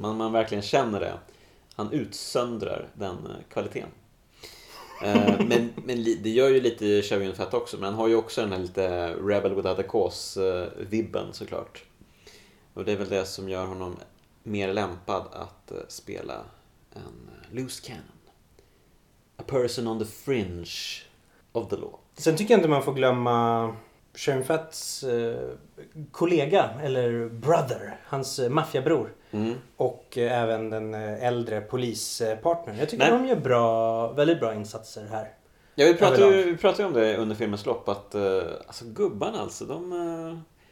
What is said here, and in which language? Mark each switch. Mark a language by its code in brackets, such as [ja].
[sv] Man verkligen känner det. Han utsöndrar den kvaliteten. men det gör ju lite Chow Yun-fat också. Men han har ju också den här lite Rebel Without a Cause-vibben såklart. Och det är väl det som gör honom mer lämpad att spela en [en] loose cannon. A person on the fringe of the law. [sv] Sen tycker jag inte man får glömma Chow Yun-fats kollega, eller brother, hans maffiabror. Mm. Och även den äldre polispartnern. Jag tycker de gör bra, väldigt bra insatser här. Ja, vi pratade om det under filmens lopp. Att, alltså gubbarna alltså, de...